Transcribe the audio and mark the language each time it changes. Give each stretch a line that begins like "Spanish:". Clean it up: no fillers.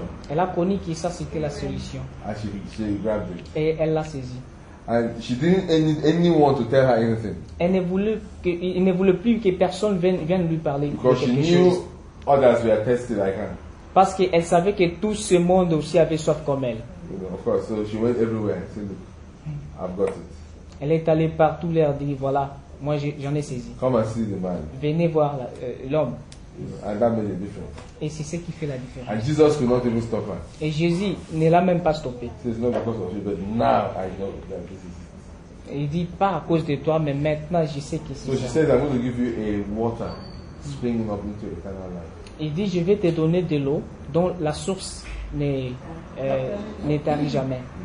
French: Elle a connu que ça, c'était la solution.
English: She grabbed it.
French: Et elle l'a saisi.
English: And she didn't need anyone to tell her anything.
French: Elle ne voulait plus que personne vienne lui parler.
English: Because she knew others were thirsty like her.
French: Parce qu'elle savait que tout ce monde aussi avait soif comme elle.
English: Of course, so she went everywhere and said, "I've got it."
French: Elle est allée partout leur dire, voilà, moi j'en ai saisi.
English: Come and see the man.
French: Venez voir l'homme.
English: And that made a difference.
French: Et c'est ce qui fait la différence.
English: And Jesus could not even stop her.
French: Et Jésus ne l'a même pas stoppé.
English: It's not because of you, but now I know that this is.
French: Il dit pas à cause de toi, mais maintenant je sais que c'est.
English: So she said, "I'm going to give you a water springing up into eternal life."
French: Il dit, "Je vais te donner de l'eau dont la source n'étarit jamais."